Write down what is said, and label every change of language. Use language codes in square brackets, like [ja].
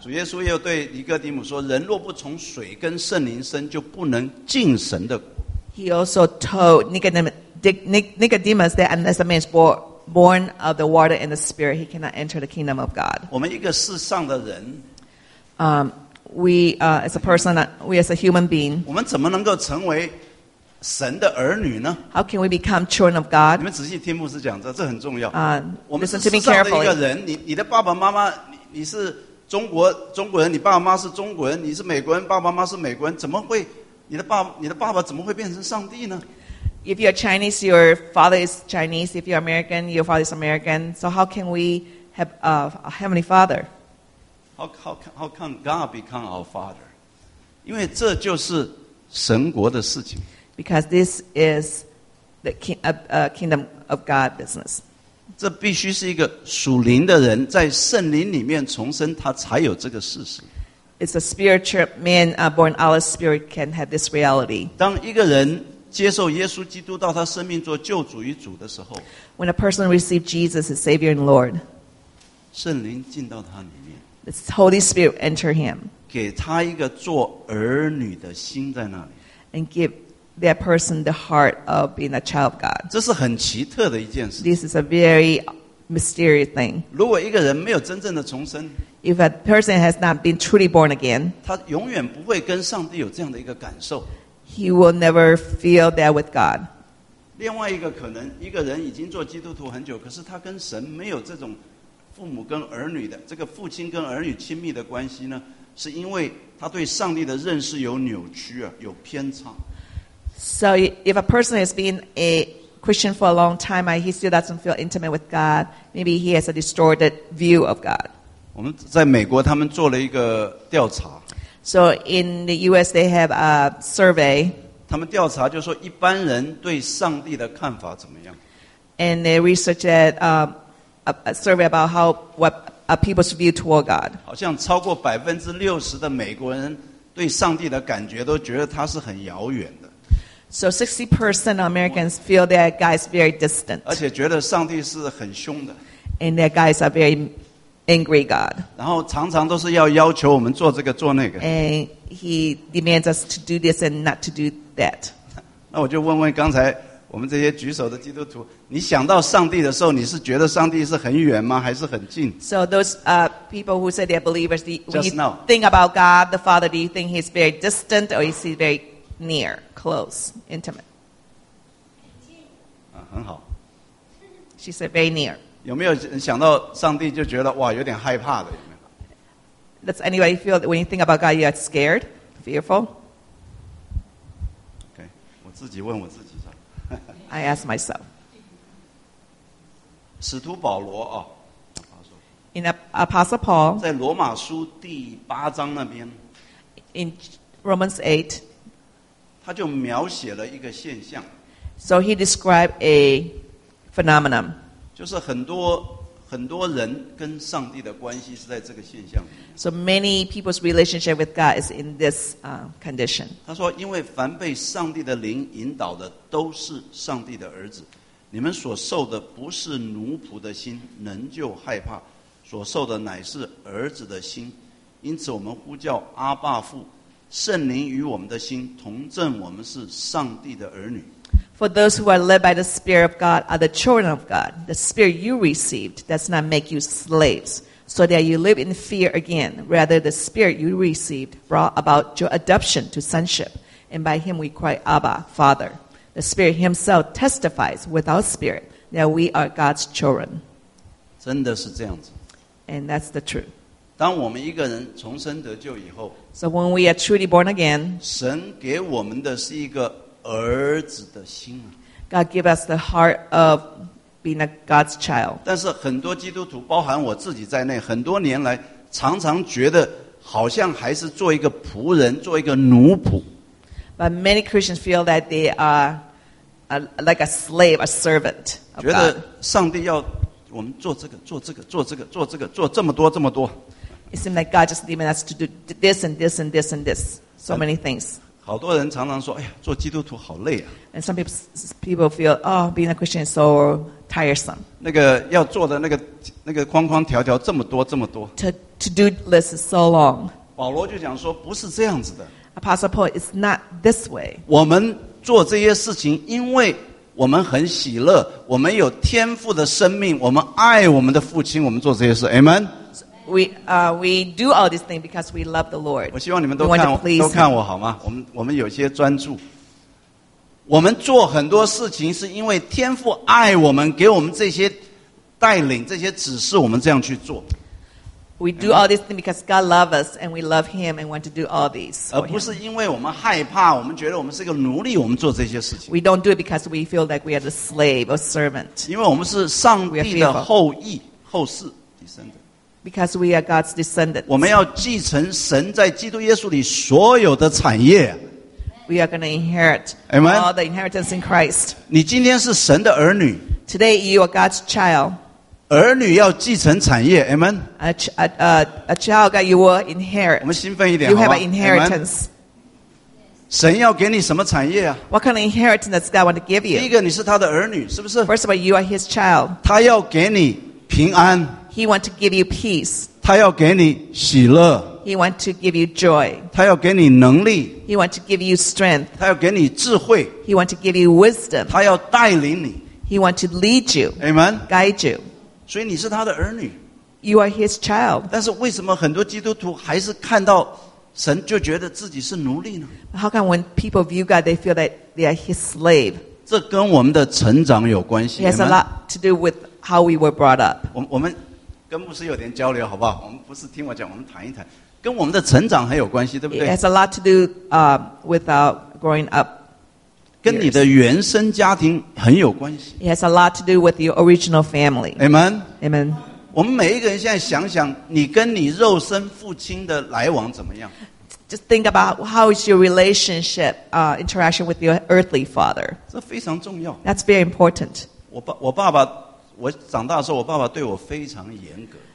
[zh] 主耶稣又对尼哥底母说人若不从水跟圣灵生就不能进神的国。 [en] He also told Nicodemus that unless a man is born of the water and the spirit, he cannot enter the kingdom of God. [zh] 我们一个世上的人 [en] We as a human being, [zh] 我们怎么能够成为神的儿女呢？ [en] How can we become children of God? [zh] 你们仔细听牧师讲的，这很重要。我们是世上的一个人，你的爸爸妈妈，你是中国人，你爸爸妈妈是中国人，你是美国人，爸爸妈妈是美国人，怎么会你的爸爸怎么会变成上帝呢？ [en] If you're Chinese, your father is Chinese. If you're American, your father is American. So how can we have a heavenly father? How can God become our Father? [zh] 因为这就是神国的事情。 [en] Because this is the kingdom of God business. [zh] 这必须是一个属灵的人在圣灵里面重生，他才有这个事实。 [en] it's a spiritual man born out of spirit can have this reality. [zh] 当一个人接受耶稣基督到他生命做救主与主的时候， [en] when a person receives Jesus as Savior and Lord, [zh] 圣灵进到他里面， [en] the Holy Spirit enter him, [zh] 给他一个做儿女的心在那里， [en] and give that person the heart of being a child of God. [zh] 这是很奇特的一件事。 [en] This is a very mysterious thing. [zh] 如果一个人没有真正的重生， [en] if a person has not been truly born again, [zh] 他永远不会跟上帝有这样的一个感受。 [en] He will never feel that with God. [zh] 另外一个可能，一个人已经做基督徒很久，可是他跟神没有这种父母跟儿女的这个父亲跟儿女亲密的关系呢，是因为他对上帝的认识有扭曲啊，有偏差。 [en] So if a person has been a Christian for a long time, he still doesn't feel intimate with God. Maybe he has a distorted view of God. [zh] 我们在美国，他们做了一个调查。 [en] So in the U.S. they have a survey. [zh] 他们调查就是说一般人对上帝的看法怎么样。 [en] And they researched that, a survey about how what a people's view toward God. [zh] 好像超过60%的美国人对上帝的感觉都觉得他是很遥远的。 [en] So 60% of Americans feel that God is very distant. [zh] 而且觉得上帝是很凶的。 [en] And that God is a very angry God. [zh] 然后常常都是要要求我们做这个做那个。 [en] And he demands us to do this and not to do that. [zh] 那我就问问刚才我们这些举手的基督徒，你想到上帝的时候，你是觉得上帝是很远吗？还是很近？ [en] So those people who say they're believers, when you think about God the Father, do you think he's very distant or is he very near, close, intimate? [zh] 很好。 [en] She said very near. [zh] 有没有想到上帝就觉得哇有点害怕的？有没有 [en] ？Does anybody feel that when you think about God, you are scared, fearful? [zh] Okay, 我自己问我自己说。 [en] I ask myself. [zh] 使徒保罗啊， [en] In Apostle Paul, [zh] 在罗马书第八章那边 [en] ，In Romans 8, [zh] 他就描写了一个现象。 [en] So he described a phenomenon. [zh] 就是很多很多人跟上帝的关系是在这个现象里面。 [en] So many people's relationship with God is in this condition. [zh] 他说，因为凡被上帝的灵引导的都是上帝的儿子，你们所受的不是奴仆的心仍旧害怕，所受的乃是儿子的心，因此我们呼叫阿爸父，圣灵与我们的心同证，我们是上帝的儿女。 [en] For those who are led by the Spirit of God are the children of God. The Spirit you received does not make you slaves, so that you live in fear again. Rather, the Spirit you received brought about your adoption to sonship, and by him we cry, Abba, Father. The Spirit himself testifies with our spirit that we are God's children. [zh] 真的是这样子。 [en] And that's the truth. [zh] 当我们一个人重生得救以后， [en] So when we are truly born again, [zh] 神给我们的是一个儿子的心啊。 [en] God give us the heart of being a God's child. [zh] 但是很多基督徒，包含我自己在内，很多年来常常觉得好像还是做一个仆人，做一个奴仆。 [en] But many Christians feel that they are like a slave, a servant of God. [zh] 觉得上帝要我们做这个，做这个，做这个，做这个，做这么多，这么多。 [en] It seems like God just demands us to do this and this and this and this, so many things. [zh] 好多人常常说，哎呀，做基督徒好累啊。 [en] And some people feel, oh, being a Christian is so tiresome. [zh] 那个要做的那个框框条条这么多这么多。 [en] To do list is so long. [zh] 保罗就讲说，不是这样子的。 [en] Apostle Paul, it's not this way. [zh] 我们做这些事情，因为我们很喜乐，我们有天父的生命，我们爱我们的父亲，我们做这些事。 [en] Amen. We do all these things because we love the Lord. [zh] 我希望你们都看我好吗？我们有些专注。我们做很多事情是因为天父爱我们，给我们这些带领、这些指示，我们这样去做。 [en] We do all these things because God loves us and we love Him and want to do all these. [zh] 而不是因为我们害怕，我们觉得我们是个奴隶，我们做这些事情。 [en] We don't do it because we feel like we are the slave or servant. [zh] 因为我们是上帝的后裔、后世、第三者。 [en] Because we are God's descendants. [zh] 我们要继承神在基督耶稣里所有的产业。 [en] We are going to inherit、 Amen? all the inheritance in Christ. [zh] 你今天是神的儿女。 [en] Today you are God's child. [zh] 儿女要继承产业 ，Amen. [en] A child that you will inherit. [zh] 我们兴奋一点 [en] You have an inheritance. [zh] 神要给你什么产业啊 [en] ？What kind of inheritance does God want to give you? [zh] 第一个，你是他的儿女，是不是 [en] ？First of all, you are His child. [zh] 他要给你平安。 [en] He want to give you peace. [zh] 他要给你喜乐。 [en] He want to give you joy. [zh] 他要给你能力。 [en] He want to give you strength. [zh] 他要给你智慧。 [en] He want to give you wisdom. [zh] 他要带领你。 [en] He want to lead you. Amen. Guide you. [zh] 所以你是他的儿女 [en] You are his child. [zh] 但是为什么很多基督徒还是看到神就觉得自己是奴隶呢 [en] How come when people view God, they feel that they are his slave? [zh] 这跟我们的成长有关系 [en] It has a lot to do with how we were brought up. [zh] 我们跟牧师有点交流好不好我们不是听我讲我们谈一谈跟我们的成长很有关系对不对 [en] It has a lot to do with our growing up. [zh] 跟你的原生家庭很有关系。 [en] It has a lot to do with your original family. Amen. Amen. [zh] 我们每一个人现在想想，你跟你肉身父亲的来往怎么样 [en] ？Just think about how is your relationship, interaction with your earthly father. [zh] 这非常重要。 [en] That's very important. [zh] 我爸爸，我长大的时候，我爸爸对我非常严格。